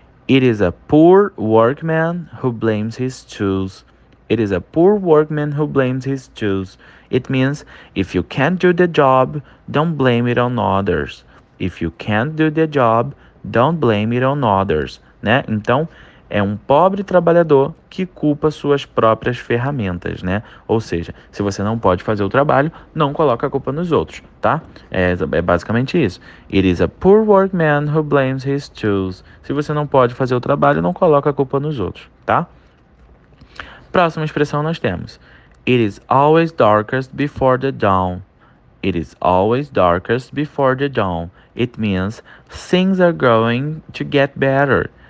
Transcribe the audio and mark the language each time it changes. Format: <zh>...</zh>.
<en>It is a poor workman who blames his tools. It is a poor workman who blames his tools. It means if you can't do the job, don't blame it on others. If you can't do the job, don't blame it on others, né?</en> <pt>Então, é um pobre trabalhador que culpa suas próprias ferramentas, né? Ou seja, se você não pode fazer o trabalho, não coloca a culpa nos outros, tá? É basicamente isso.</pt> <en>It is a poor workman who blames his tools.</en> <pt>Se você não pode fazer o trabalho, não coloca a culpa nos outros, tá? Próxima expressão nós temos.</pt> <en>It is always darkest before the dawn. It is always darkest before the dawn. It means things are going to get better.</en>